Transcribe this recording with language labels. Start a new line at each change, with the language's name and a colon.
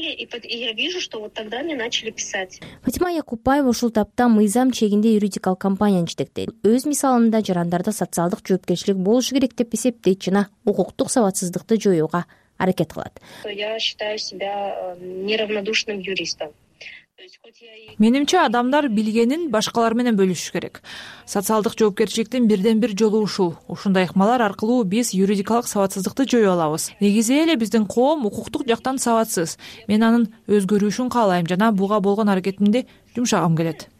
Kyrgyz: Фатима Якупбаева ушул тапта мыйзам чегинде юридикалык компанияны жетектейт. Өз мисалында жарандарда социалдык жоопкерчилик болушу керек деп эсептейт жана укуктук сабатсыздыкты жоюуга аракет кылат.
Russian: Я считаю себя неравнодушным юристом.
Kyrgyz: Менимче, адамдар билгенин башкалар менен бөлүшүш керек. Социалдык жоопкерчиликтин бирден бир жолу ушул. Ушундай ыкмалар аркылуу биз юридикалык сабатсыздыкты жоюп алабыз. Негизи эле биздин коом укуктук жактан сабатсыз. Мен анын өзгөрүшүн каалайм жана буга болгон аракетимди жумшагым келет.